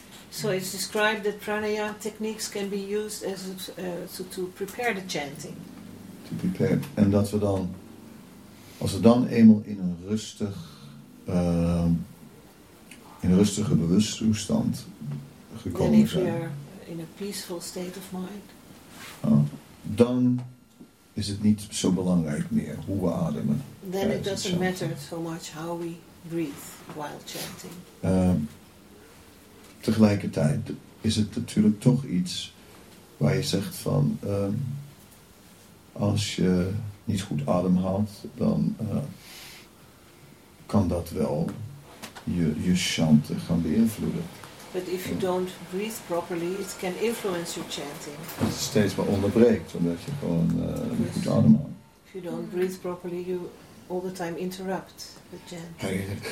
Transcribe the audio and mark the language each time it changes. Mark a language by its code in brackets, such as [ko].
[en] So it's described that pranayama techniques can be used as to prepare the chanting. To prepare. [nl] En dat we dan, als we dan eenmaal in een rustige bewustzijnstoestand gekomen zijn. [en] And if we are in a peaceful state of mind. [nl] Dan is het niet zo belangrijk meer hoe we ademen. [en] Then it doesn't matter so much how we breathe while chanting. [nl] Tegelijkertijd is het natuurlijk toch iets waar je zegt van, als je niet goed ademhaalt, dan kan dat wel je chanten gaan beïnvloeden. [en] But if you don't breathe properly, it can influence your chanting. [nl] Dat het steeds maar onderbreekt, omdat je gewoon niet goed ademhaalt. [en] If you don't breathe properly, you all the time interrupt the chanting.